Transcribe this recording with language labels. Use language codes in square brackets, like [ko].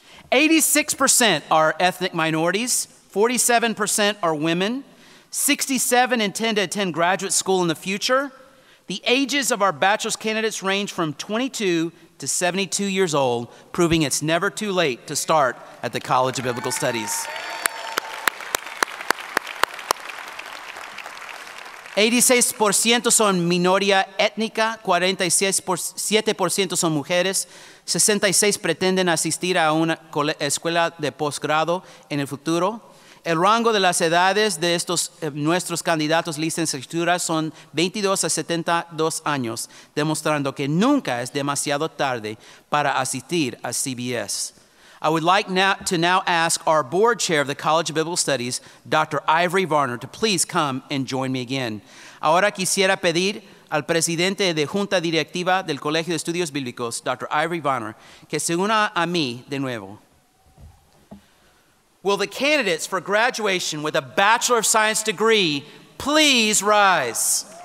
[en] 86% are ethnic minorities, 47% are women, 67 intend to attend graduate school in the future. The ages of our bachelor's candidates range from 22 to 72 years old, proving it's never too late to start at the College of Biblical Studies. [es] 86% son minoría étnica, 47% son mujeres, 66% pretenden asistir a una escuela de posgrado en el futuro. El rango de las edades de estos nuestros candidatos licenciaturas son 22 a 72 años, demostrando que nunca es demasiado tarde para asistir a CBS. [en] I would like now to now ask our board chair of the College of Biblical Studies, Dr. Ivory Varner, to please come and join me again. [es] Ahora quisiera pedir al presidente de Junta Directiva del Colegio de Estudios Bíblicos, Dr. Ivory Varner, que se una a mí de nuevo. [en] Will the candidates for graduation with a Bachelor of Science degree please rise?